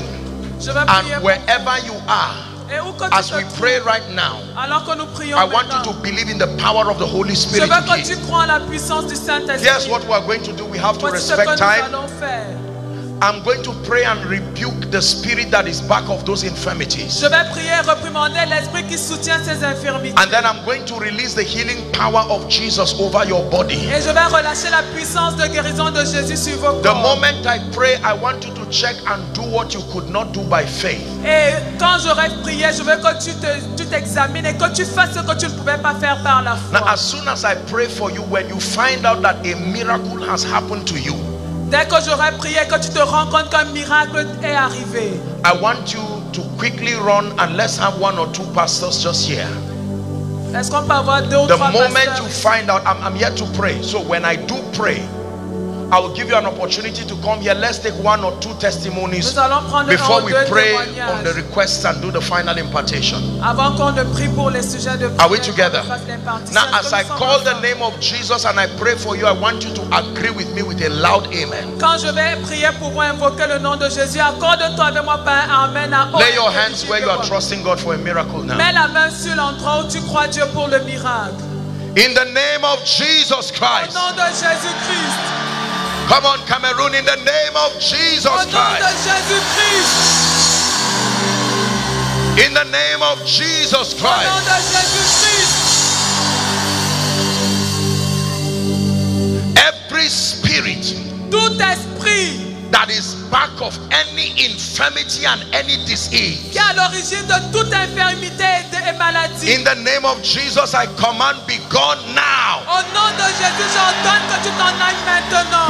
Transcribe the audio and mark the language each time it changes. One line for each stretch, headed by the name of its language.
English: And wherever you are, as we pray right now, I want you to believe in the power of the Holy Spirit. Here's what we are going to do. We have to respect time. I'm going to pray and rebuke the spirit that is back of those infirmities.
French: Je vais prier, reprimander l'esprit qui soutient ces infirmités.
English: And then I'm going to release the healing power of Jesus over your body.
French: Et je vais relâcher la puissance de guérison de Jésus sur vos corps.
English: The moment I pray, I want you to check and do what you could not do by faith.
French: Et quand j'aurai prié, je veux que tu t'examines et que tu fasses ce que tu ne pouvais pas faire par la foi.
English: Now, as soon as I pray for you, when you find out that a miracle has happened to you,
French: dès que j'aurai prié, que tu te rends compte qu'un miracle est arrivé.
English: I want you to quickly run and let's have one or two pastors just here.
French: Est-ce qu'on peut avoir deux ou
English: the
French: trois
English: moment pastors? You find out, I'm here to pray. So when I do pray, I will give you an opportunity to come here. Let's take one or two testimonies before we pray on the requests and do the final impartation.
French: Avant qu'on ne prie pour les sujets de prière,
English: are we together? Now, as I call the name of Jesus and I pray for you, I want you to agree with me with a loud amen.
French: Quand je vais prier pour moi, invoquer le nom de Jésus, accorde-toi avec moi par un amen.
English: Lay your hands where you are trusting God for a miracle now.
French: Mets la main sur l'endroit où tu crois Dieu pour le miracle.
English: In the name of Jesus Christ.
French: Au nom de Jésus Christ.
English: Come on, Cameroon, in the name of Jesus Christ.
French: Au nom de Jésus Christ.
English: In the name of Jesus Christ.
French: Au nom de Jésus Christ.
English: Every spirit.
French: Tout esprit.
English: That is back of any infirmity and any disease.
French: Qui est à l'origine de toute infirmité et maladie.
English: In the name of Jesus, I command, be gone now.
French: Au nom de Jésus, j'ordonne que tu t'en ailles maintenant.